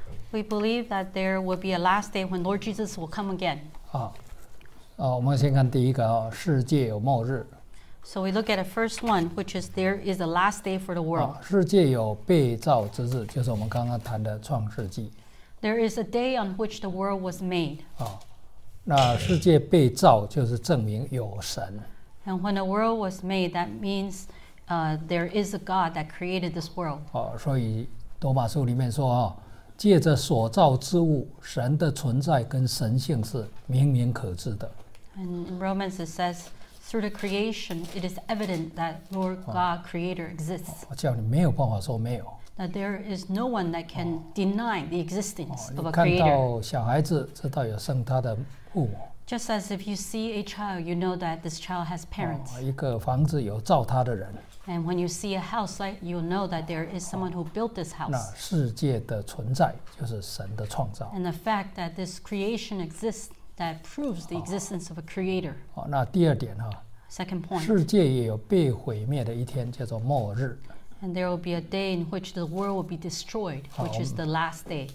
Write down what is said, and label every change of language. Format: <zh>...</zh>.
<en>We believe that there will be a last day when Lord Jesus will come again.</en> <zh>我们先看第一个，世界有末日。</zh> <en>So we look at the first one, which is there is a last day for the world.</en> <zh>世界有被造之日，就是我们刚刚谈的创世纪。</zh> <en>There is a day on which the world was made.</en> <zh>那世界被造就是证明有神。</zh> <en>And when the world was made, that means there is a God that created this world.</en> <zh>所以罗马书里面说，借着所造之物，神的存在跟神性是明明可知的。</zh> <en>And in Romans it says, through the creation, it is evident that Lord God Creator exists.</en> <zh>我叫你没有办法说没有。</zh> <en>That there is no one that can deny the existence of a creator.</en> <zh>看到小孩子，知道有生他的父母。</zh> <en>Just as if you see a child, you know that this child has parents.</en> <zh>一个房子有造他的人。</zh> <en>And when you see a house, you'll know that there is someone who built this house.</en> <zh>那世界的存在就是神的创造。</zh> <en>And the fact that this creation exists that proves the existence of a creator.</en> <zh>那第二点，</zh> <en>Second point.</en> <zh>世界也有被毁灭的一天，叫做末日。</zh> <en>And there will be a day in which the world will be destroyed, which is the last day.</en>